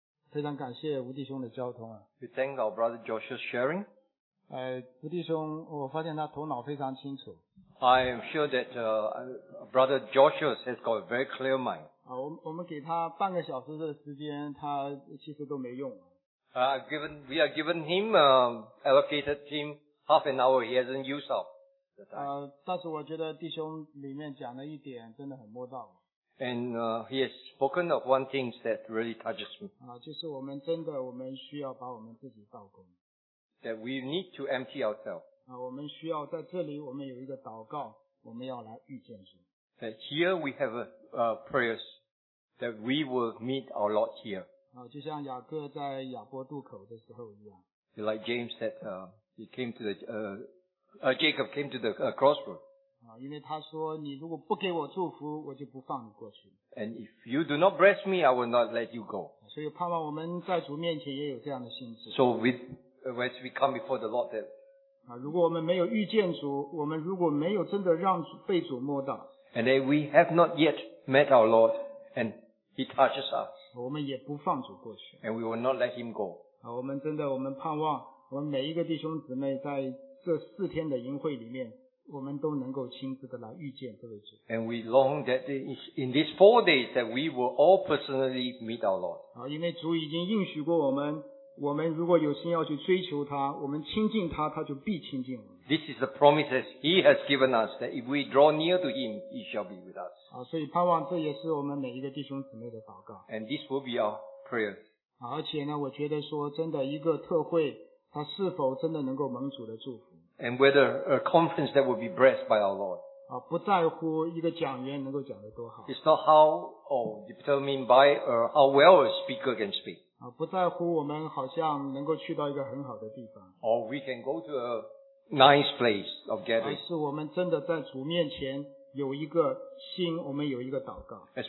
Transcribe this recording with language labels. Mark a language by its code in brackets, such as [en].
[zh] 非常感谢吴弟兄的交通啊。 [en] We thank our brother Joshua's sharing. [zh] 吴弟兄，我发现他头脑非常清楚。 [en] I am sure that brother Joshua has got a very clear mind. [zh] 我们给他半个小时的时间，他其实都没用。 [en] We are given him allocated him half an hour. He hasn't used up the time. [zh] 但是我觉得弟兄里面讲的一点真的很摸到。 [en] And he has spoken of one thing that really touches me. [zh] 就是我们真的，我们需要把我们自己倒空。 [en] That we need to empty ourselves. [zh] 我们需要在这里，我们有一个祷告，我们要来遇见神。 [en] That here we have a prayers that we will meet our Lord here. [zh] 就像雅各在雅伯渡口的时候一样。 [en] Like James said, he came to the Jacob came to the crossroad. [zh] 因为他说你如果不给我祝福我就不放你过去。 [en] And if you do not bless me, I will not let you go. [zh] 所以盼望我们在主面前也有这样的心志。 [en] So as we come before the Lord, that, [zh] 如果我们没有遇见主，我们如果没有真的让主被主摸到。 [en] And if we have not yet met our Lord, and he touches us. [zh] 我们也不放主过去。 [en] And we will not let him go. [zh] 我们真的我们盼望我们每一个弟兄姊妹在这四天的营会里面我们都能够亲自的来遇见这位主。 [en] And we long that in these 4 days that we will all personally meet our Lord. [zh] 因为主已经应许过我们，我们如果有心要去追求他，我们亲近他，他就必亲近我们。 [en] This is the promise that He has given us that if we draw near to Him, He shall be with us. [zh] 所以盼望这也是我们每一个弟兄姊妹的祷告。 [en] And this will be our prayer. [zh] 而且呢，我觉得说真的，一个特会，他是否真的能够蒙主的祝福？ [en] And whether a conference that will be blessed by our Lord. [zh] 不在乎一个讲员能够讲得多好。 [en] It's not how or determined by or how well a speaker can speak. [zh] 不在乎我们好像能够去到一个很好的地方。 [en] Or we can go to a nice place of gathering. [zh] 而是我们真的在主面前有一个心，我们有一个祷告。